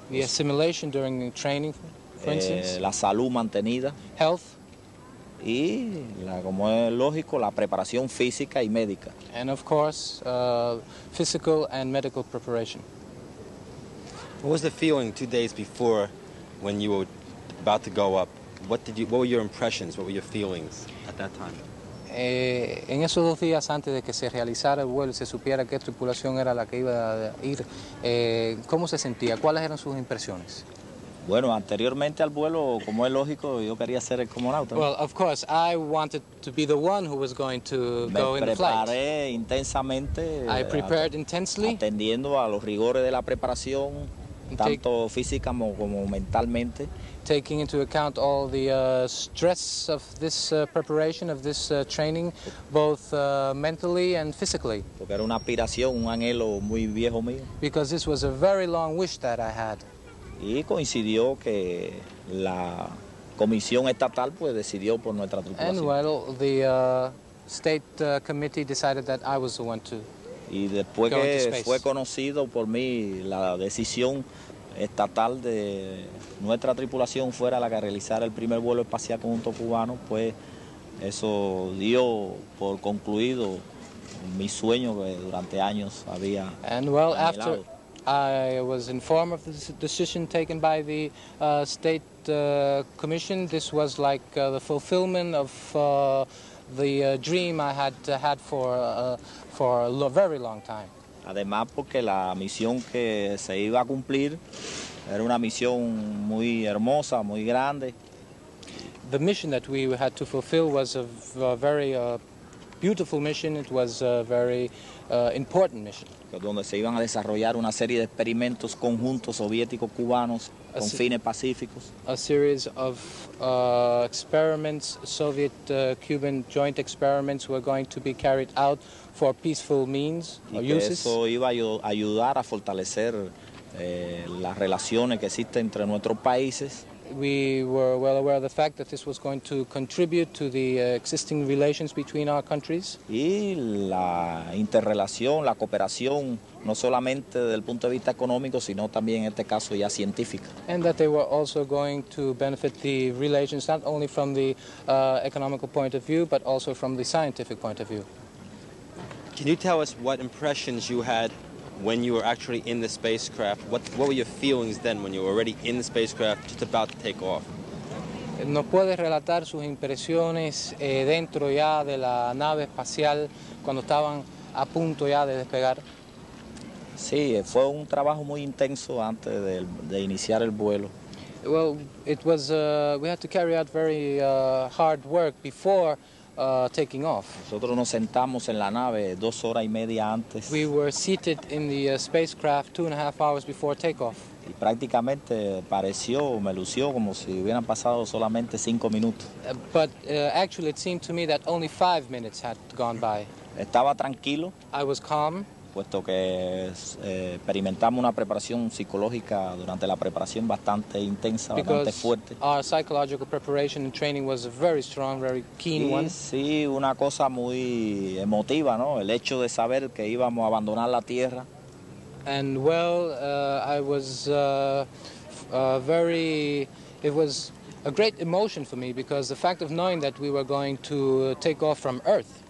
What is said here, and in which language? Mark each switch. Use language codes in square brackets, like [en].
[en] The assimilation during the training, for instance. [es] La salud mantenida. [en] Health. [es] Y, como es lógico, la preparación física y médica. [en] And of course, physical and medical preparation. What was the feeling 2 days before when you were about to go up? What were your impressions? What were your feelings at that time? [es] En esos dos días antes de que se realizara el vuelo y se supiera qué tripulación era la que iba a ir, ¿cómo se sentía? ¿Cuáles eran sus impresiones? Bueno, anteriormente al vuelo, como es lógico, yo quería ser el cosmonauta. [en] Well, of course, I wanted to be the one who was going to [es] Me [en] go in the flight. [es] Me preparé intensamente. [en] I prepared intensely. [es] Atendiendo a los rigores de la preparación, tanto física como mentalmente. [en] Taking into account all the stress of this preparation, of this training, both mentally and physically. [es] Porque era una aspiración, un anhelo muy viejo mío. [en] Because this was a very long wish that I had. [es] Y coincidió que la comisión estatal pues decidió por nuestra tripulación. [en] And well, the state committee decided that I was the one to go into space. [es] Y después que fue conocido por mí la decisión estatal de nuestra tripulación fuera la que realizara el primer vuelo espacial conjunto cubano, pues eso dio por concluido mi sueño que durante años había [en] And well, [es] anhelado. [en] After I was informed of the decision taken by the state commission, this was like the fulfillment of the dream I had had for a very long time. [es] Además, porque la misión que se iba a cumplir era una misión muy hermosa, muy grande. [en] The mission that we had to fulfill was a very beautiful mission. It was a very important mission. [es] Donde se iban a desarrollar una serie de experimentos conjuntos soviético-cubanos con fines pacíficos. [en] A series of experiments, Soviet-Cuban joint experiments, were going to be carried out for peaceful means or uses. [es] Y eso iba a ayudar a fortalecer las relaciones que existen entre nuestros países. [en] We were well aware of the fact that this was going to contribute to the existing relations between our countries. [es] Y la interrelación, la cooperación, no solamente del punto de vista económico, sino también en este caso ya científica. [en] And that they were also going to benefit the relations not only from the economical point of view, but also from the scientific point of view. Can you tell us what impressions you had when you were actually in the spacecraft? What were your feelings then when you were already in the spacecraft just about to take off? [es] ¿Nos puede relatar sus impresiones dentro ya de la nave espacial cuando estaban a punto ya de despegar? Sí, fue un trabajo muy intenso antes de iniciar el vuelo. [en] Well, it was we had to carry out very hard work before taking off. [es] Nosotros nos sentamos en la nave 2 horas y media antes. [en] We were seated in the spacecraft 2.5 hours before takeoff. [es] Y prácticamente pareció, me lució como si hubieran pasado solamente 5 minutos. [en] But actually, it seemed to me that only 5 minutes had gone by. [es] Estaba tranquilo. [en] I was calm. [es] Puesto que experimentamos una preparación psicológica durante la preparación bastante intensa, bastante fuerte. [en] Our psychological preparation and training was a very strong, very keen one. [es] Sí, una cosa muy emotiva, ¿no? El hecho de saber que íbamos a abandonar la Tierra. [en] And well, I was very, it was a great emotion for me because the fact of knowing that we were going to take off from Earth.